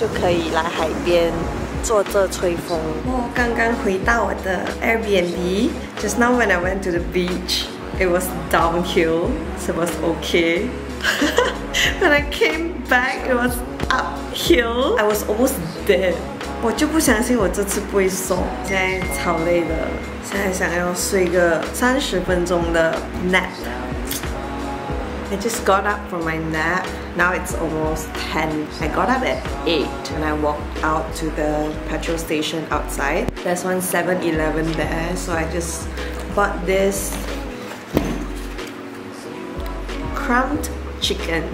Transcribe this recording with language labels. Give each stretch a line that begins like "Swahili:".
Chinese: 就当做是马币38块这样啦，还蛮好吃的，然后风景很好。吃完之后就可以来海边坐着吹风。我刚刚回到我的 Airbnb.
English: Just now when I went to the beach, it was downhill, so it was okay. When I came back, it was uphill. I was almost dead.
Chinese: 我就不相信我这次不会瘦，现在超累的，现在想要睡个30分钟的 nap.
English: I just got up from my nap. Now it's almost 10. I got up at 8 and I walked out to the petrol station outside. There's one 7-Eleven there, so I just bought this crumbed chicken.